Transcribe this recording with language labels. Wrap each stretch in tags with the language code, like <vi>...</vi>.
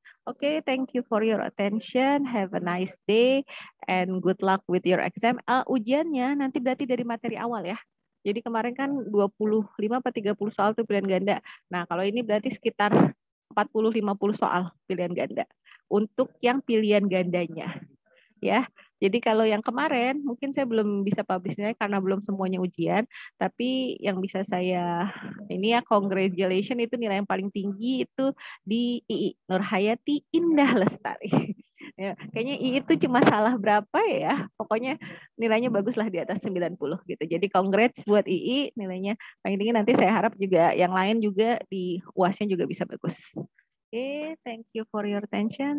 <en>Oke, okay, thank you for your attention. Have a nice day and good luck with your exam.</en> <id>Ujiannya nanti berarti dari materi awal ya. Jadi kemarin kan 25 atau 30 soal tuh pilihan ganda. Nah, kalau ini berarti sekitar 40-50 soal pilihan ganda. Untuk yang pilihan gandanya. Ya. Jadi kalau yang kemarin, mungkin saya belum bisa publish-nya karena belum semuanya ujian. Tapi yang bisa saya, ini ya, congratulation itu nilai yang paling tinggi itu di II. Nurhayati Indah Lestari. Ya, kayaknya II itu cuma salah berapa ya. Pokoknya nilainya baguslah di atas 90 gitu. Jadi congrats buat II, nilainya paling tinggi. Nanti saya harap juga yang lain juga di UAS-nya juga bisa bagus.</id> <en>Oke, okay, thank you for your attention.</en>